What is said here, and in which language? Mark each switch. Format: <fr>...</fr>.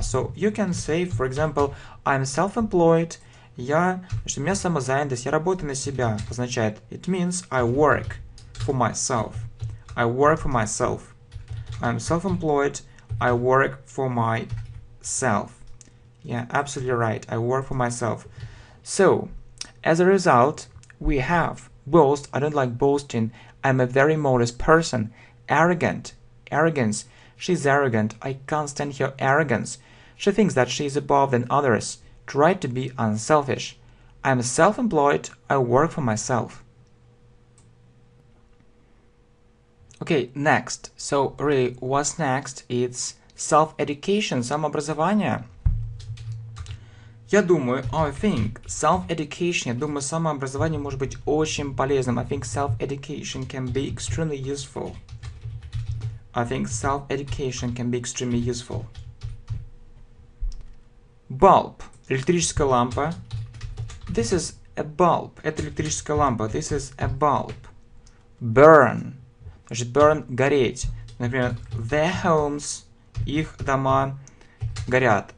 <en>So, you can say, for example, I'm self-employed.</en> <ru>У меня самозанятость, я работаю на себя. Означает,</ru> <en>it means I work for myself. I work for myself. I'm self-employed. I work for myself. Yeah, absolutely right. I work for myself. So, as a result, we have boast. I don't like boasting. I'm a very modest person. Arrogant. Arrogance. She's arrogant. I can't stand her arrogance. She thinks that she's above than others. Try to be unselfish. I'm self-employed. I work for myself. Okay, next. So, really, what's next? It's self-education,</en> <ru>самообразование. Я думаю,</ru> <en>I think self-education,</en> <ru>я думаю, самообразование может быть очень полезным.</ru> <en>I think self-education can be extremely useful. I think self-education can be extremely useful.</en> <ru>Bulb, электрическая лампа.</ru> <en>This is a bulb,</en> <ru>это электрическая лампа.</ru> <en>This is a bulb. Burn.</en> <ru>Значит, burn – гореть. Например, their homes, их дома горят.</ru>